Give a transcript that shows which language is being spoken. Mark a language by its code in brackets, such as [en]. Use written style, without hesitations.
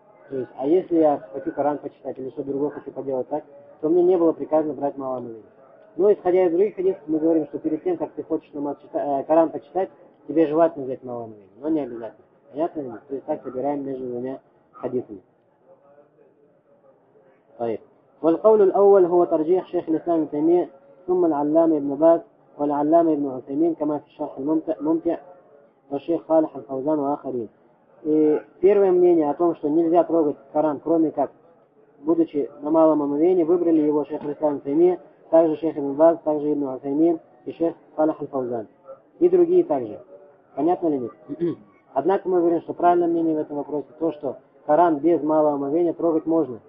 [ru] То есть, а если я хочу Коран почитать или что-то другое хочу поделать так, то мне не было приказано брать малое омовение. Но исходя из других хадисов, мы говорим, что перед тем, как ты хочешь намаз читать, Коран почитать, тебе желательно взять малое омовение, но не обязательно. Понятно ли? То есть так собираем между двумя хадисами. [ar] وَالْقَوْلُ الْأَوَّلُ هُوَ تَرْجِيحُ شَيْخِ الْإِسْلَامِ تَيْمِيَ ثُمَّ الْعَلَّامِ ابْنُ بَاسِ والعلامة ابن عثيمين كما في الشرح الممتع والشيخ صالح الفوزان وآخرين. [ru] И первое мнение о том, что нельзя трогать Коран, кроме как будучи на малом омовении, выбрали его шейх Ислам Саймия, также шейх Ибн Баз, также ибн Усаймин и шейх Салих аль-Фаузан. И другие также. Понятно ли нет? Однако мы говорим, что правильное мнение в этом вопросе то, что Коран без малого омовения трогать можно.